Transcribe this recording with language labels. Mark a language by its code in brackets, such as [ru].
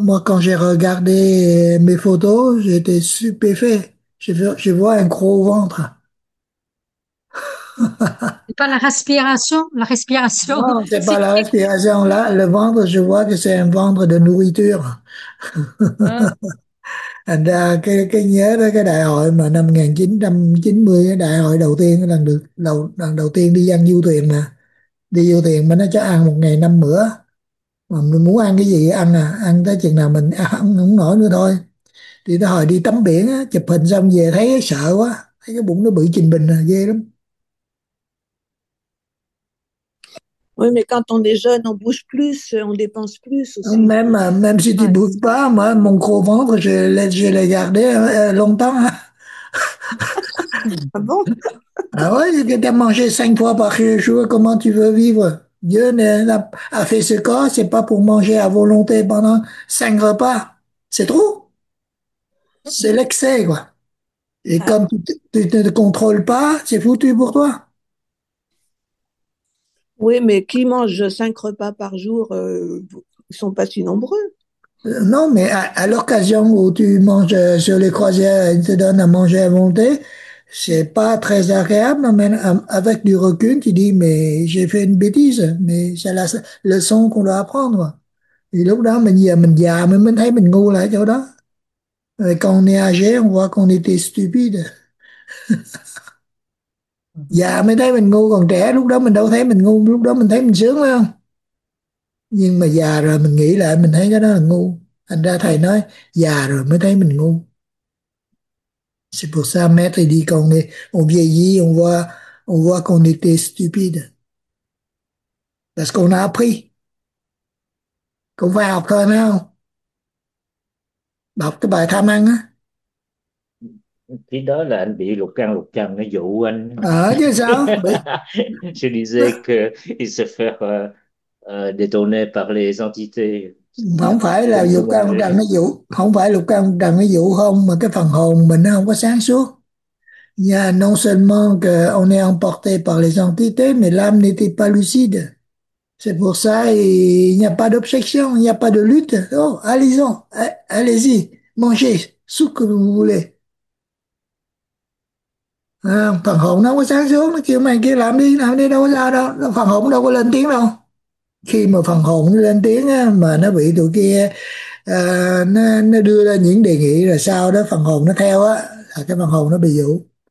[fr] Moi, quand j'ai regardé mes photos, j'étais stupéfait. Je vois un gros ventre. C'est pas la respiration, la respiration, Non, c'est pas c'est la quelque chose. respiration là. Le ventre, je vois que c'est un ventre de nourriture. Ah. [vi] Cái nhớ đó, cái đại hội mà năm 1990, đại hội đầu tiên, lần đầu tiên đi ăn du thuyền nè. Đi du thuyền mà nó cho ăn một ngày năm bữa. Mà mình muốn ăn cái gì ăn à, ăn tới chừng nào mình ăn không nổi nữa thôi. Thì nó hồi đi tắm biển á, chụp hình xong về thấy sợ quá, thấy cái bụng nó bự trình bình à, ghê lắm. [fr] Oui, mais quand on est jeune, on bouge plus, on dépense plus aussi. Même si tu Ouais. bouges pas, moi, mon gros ventre, je l'ai gardé longtemps. Bon? Ah ouais, tu as mangé 5 fois par jour, comment tu veux vivre? Dieu a fait ce corps, c'est pas pour manger à volonté pendant 5 repas. C'est trop. C'est l'excès, quoi. Et comme tu ne te contrôles pas, c'est foutu pour toi. Oui, mais qui mange 5 repas par jour, ils sont pas si nombreux. Non, mais à l'occasion où tu manges sur les croisières, ils te donnent à manger à volonté, c'est pas très agréable. Mais avec du recul, tu dis, mais j'ai fait une bêtise, mais c'est la leçon qu'on doit apprendre. [vi] Et lúc đó, mình già, mình thấy mình ngu là chỗ đó. [fr] Mais quand on est âgé, on voit qu'on était stupide. [vi] Già mới thấy mình ngu, còn trẻ, lúc đó mình đâu thấy mình ngu, lúc đó mình thấy mình sướng phải không? Nhưng mà già rồi mình nghĩ lại mình thấy cái đó là ngu. Thành ra thầy nói già rồi mới thấy mình ngu. [fr] C'est pour ça, [vi] mẹ thầy đi, [fr] quand on vieillit, on voit qu'on était stupide. Parce qu'on a appris [vi] cũng phải học thôi, phải không? Đọc cái bài tham ăn á. Thì đó là anh bị lục căn lục trần nó dụ anh Ờ chứ sao [fr] je disais que il se fait détourner par les entités [vi] không phải là [fr] dont vous [vi] lục căn lục trần [fr] parlez. [vi] nó dụ, không phải lục căn lục trần nó dụ không, mà cái phần hồn mình nó không có sáng suốt. [fr] Non seulement que on est emporté par les entités, mais l'âme n'était pas lucide. C'est pour ça il n'y a pas d'objection, il n'y a pas de lutte. Oh, allez-y, mangez ce que vous voulez. [vi] À, phần hồn nó có sáng suốt, nó kêu mày kia làm đi đâu có ra đâu, phần hồn đâu có lên tiếng đâu. Khi mà phần hồn nó lên tiếng á, mà nó bị tụi kia nó đưa ra những đề nghị rồi sau đó phần hồn nó theo á, là cái phần hồn nó bị dụ.